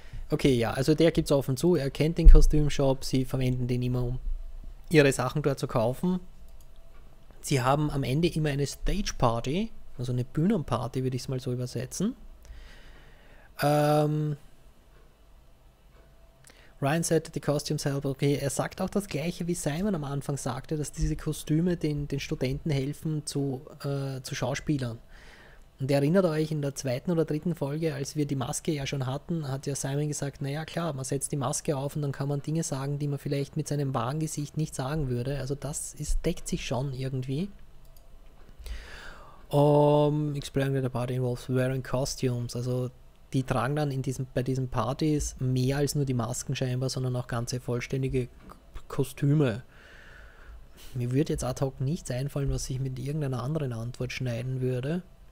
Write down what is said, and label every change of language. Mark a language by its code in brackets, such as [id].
[de] Okay, ja, also der gibt's offen zu. Er kennt den Kostümshop. Sie verwenden den immer, um ihre Sachen dort zu kaufen. Sie haben am Ende immer eine Stage-Party. Also eine Bühnenparty, würde ich es mal so übersetzen. [en] Ryan said that the costumes help. [de] Okay, er sagt auch das Gleiche, wie Simon am Anfang sagte, dass diese Kostüme den Studenten helfen zu Schauspielern. Und erinnert euch, in der zweiten oder dritten Folge, als wir die Maske ja schon hatten, hat ja Simon gesagt, naja klar, man setzt die Maske auf und dann kann man Dinge sagen, die man vielleicht mit seinem wahren Gesicht nicht sagen würde. Also das ist, deckt sich schon irgendwie. [en] Exploring the party involves wearing costumes. [de] Also die tragen dann bei diesen Partys mehr als nur die Masken scheinbar, sondern auch ganze vollständige Kostüme. Mir würde jetzt ad hoc nichts einfallen, was ich mit irgendeiner anderen Antwort schneiden würde.